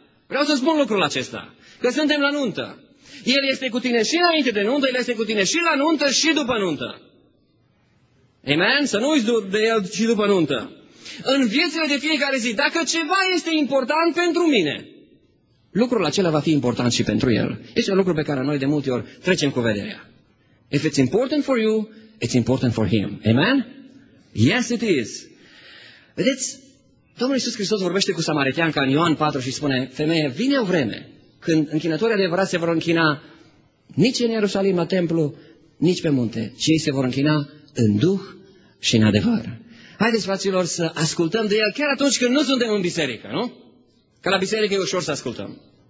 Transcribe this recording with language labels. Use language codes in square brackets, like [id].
[ro] Vreau să spun lucrul acesta, că suntem la nuntă. El este cu tine și înainte de nuntă, El este cu tine și la nuntă și după nuntă. Amen? Să nu uiți de El și după nuntă. În viețile de fiecare zi, dacă ceva este important pentru mine, lucrul acela va fi important și pentru El. Este un lucru pe care noi de multe ori trecem cu vederea. [en] If it's important for you, it's important for Him. Amen? Yes, it is. [ro] Vedeți? Domnul Iisus Hristos vorbește cu samaritean ca în Ioan 4 și spune, femeie, vine o vreme când închinătorii adevărați se vor închina nici în Ierusalim la templu, nici pe munte, ci ei se vor închina în duh și în adevăr. Haideți, fraților, să ascultăm de El chiar atunci când nu suntem în biserică, nu? Că la biserică e ușor să ascultăm.